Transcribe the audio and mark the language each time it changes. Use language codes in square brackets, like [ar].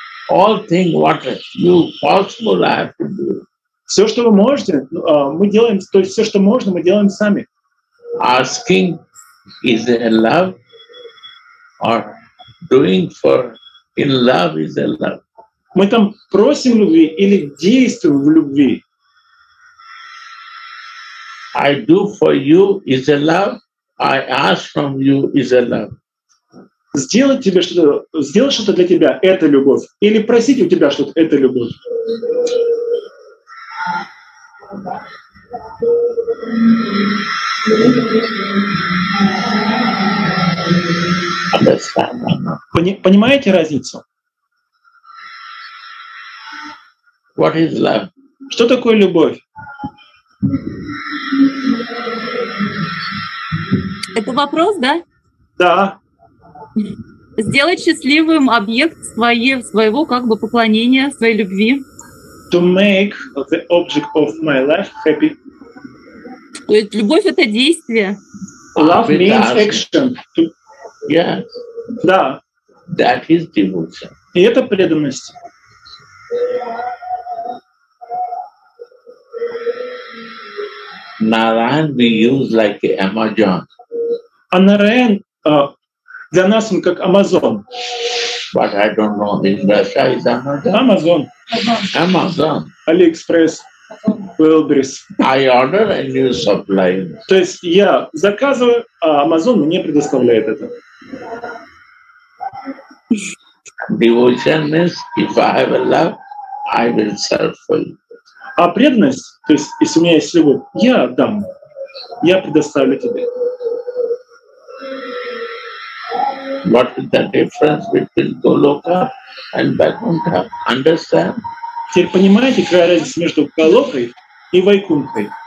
[en] All things what you possible have to do. [ru] Все, что вы можете, мы делаем, то есть все, что можно, мы делаем сами. [en] Asking is a love or doing for in love is a love. [ru] Мы там просим любви или действуем в любви? [en] I do for you is a love. I ask from you is a love. [ru] Сделать тебе что-то, сделать что-то для тебя – это любовь. Или просить у тебя что-то – это любовь. [en] Understand? [ru] Понимаете разницу? [en] What is love? [ru] Что такое любовь? Это вопрос, да? Да. сделать счастливым объект своего как бы поклонения, своей любви. [en] To make the object of my life happy. [ru] То есть любовь — это действие. [en] Love means action. Yes. [ru] Да. [en] That is devotion. [ru] И это преданность. [en] Narayan we use like Amazon. [ru] А Narayan для нас он как Amazon. [en] But I don't know in Russia is Amazon. Amazon. Amazon. AliExpress. Wildberries. I order a new supply. [ru] То есть я заказываю, а Amazon мне предоставляет это. [en] Devotion means if I have a love, I will serve for you. [ru] А преданность, то есть если у меня есть любовь, я отдам, я предоставлю тебе. [en] What is the difference between Goloka and Vaikuntha? Understand? [ru] Теперь понимаете, какая разница между Голокой и Вайкунтхой?